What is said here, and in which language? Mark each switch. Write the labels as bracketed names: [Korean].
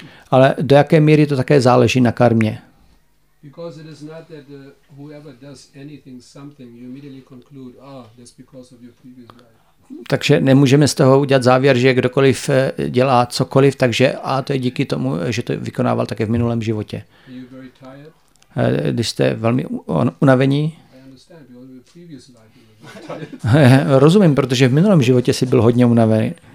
[Czech] Ale do jaké míry to také záleží na karmě. [English] Because it is not that the, whoever does anything, something, you immediately conclude, ah, oh, that's because of your previous life. [Czech] Takže nemůžeme z toho udělat závěr, že kdokoliv dělá cokoliv, takže a to je díky tomu, že to vykonával také v minulém životě. [English] Are you very tired? [Czech] Když jste velmi unavení. [English] I understand, because of your previous life, you were very tired. [Czech] Rozumím, protože v minulém životě jsi byl hodně unavený.